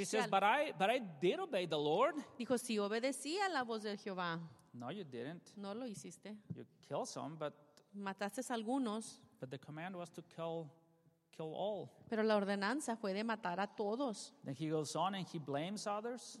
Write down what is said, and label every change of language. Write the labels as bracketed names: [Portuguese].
[English] So he says, but I did obey the Lord. [Spanish] Dijo, sí, obedecí a la voz de Jehová. [English] No, you didn't. [Spanish] No lo hiciste. [English] You killed some, but [Spanish] mataste algunos. [English] But the command was to kill all. [Spanish] Pero la ordenanza fue de matar a todos. [English] Then he goes on and he blames others.